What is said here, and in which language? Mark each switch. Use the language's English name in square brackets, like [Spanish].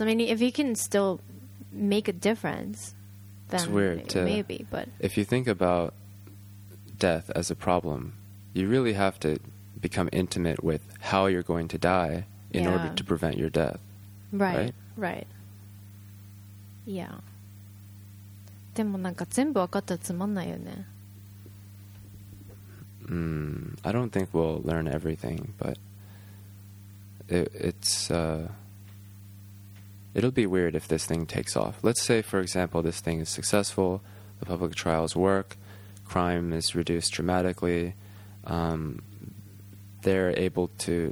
[English] I mean, if you can still make a difference, then it's weird maybe, but if you think about death as a problem, you really have to become intimate with how you're going to die in order to prevent your death. Right? Yeah. [Japanese] でもなんか全部分かったらつまんないよね。 [English] I don't think we'll learn everything, but it'll be weird if this thing takes off. Let's say, for example, this thing is successful, the public trials work, crime is reduced dramatically, they're able to...